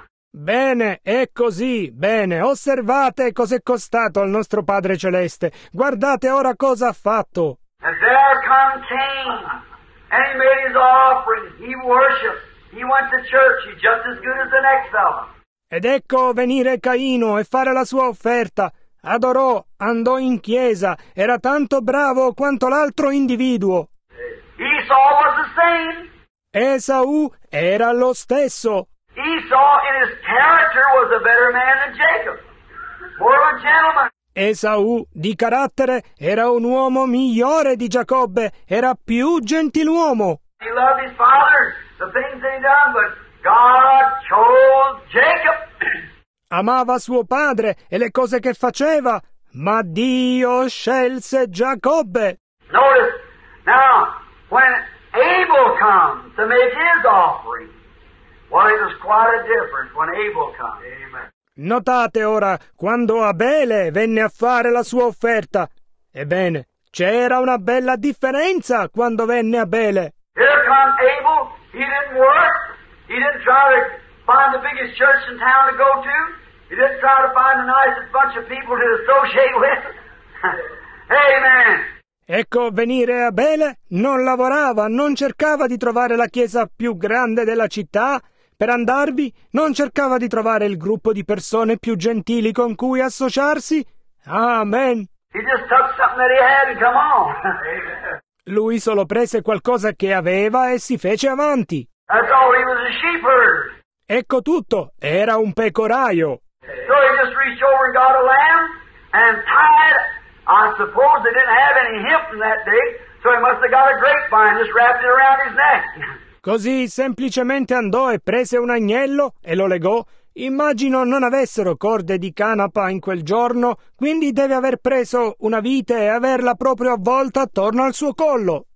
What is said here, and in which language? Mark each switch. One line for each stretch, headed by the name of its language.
Italian: Bene, è così, bene. Osservate cos'è costato al nostro Padre Celeste. Guardate ora cosa ha fatto.
English: And there come Cain, and he made his offering. He worshipped. He went to church. He's just as good as the next fellow.
Italian: Ed ecco venire Caino e fare la sua offerta. Adorò, andò in chiesa. Era tanto bravo quanto l'altro individuo.
English: Esau was the same.
Italian: Esau era lo stesso.
English: Esau in his character was a better man than Jacob. More of a gentleman.
Italian: Esau, di carattere, era un uomo migliore di Giacobbe. Era più gentiluomo.
English: He loved his father, the things that he done, but God chose Jacob.
Italian: Amava suo padre e le cose che faceva, ma Dio scelse Giacobbe.
English: Notice, now, when Abel comes to make his offering, well, it was quite a difference when Abel comes. Amen.
Italian: Notate ora, quando Abele venne a fare la sua offerta. Ebbene, c'era una bella differenza quando venne Abele.
English: Here comes Abel, he didn't work. He didn't try to find the biggest church in town to go to. He didn't try to find the nicest bunch of people to associate with. Amen.
Italian: Ecco, venire Abele non lavorava, non cercava di trovare la chiesa più grande della città. Per andarvi, non cercava di trovare il gruppo di persone più gentili con cui associarsi. Amen.
English: He just took something that he had and come on.
Italian: Lui solo prese qualcosa che aveva e si fece avanti.
English: That's all, he was a shepherd.
Italian: Ecco tutto, era un pecoraio.
English: So he just reached over and got a lamb and tied it. I suppose they didn't have any hemp in that day, so he must have got a grapevine and just wrapped it around his neck.
Italian: Così semplicemente andò e prese un agnello e lo legò. Immagino non avessero corde di canapa in quel giorno, quindi deve aver preso una vite e averla proprio avvolta attorno al suo collo.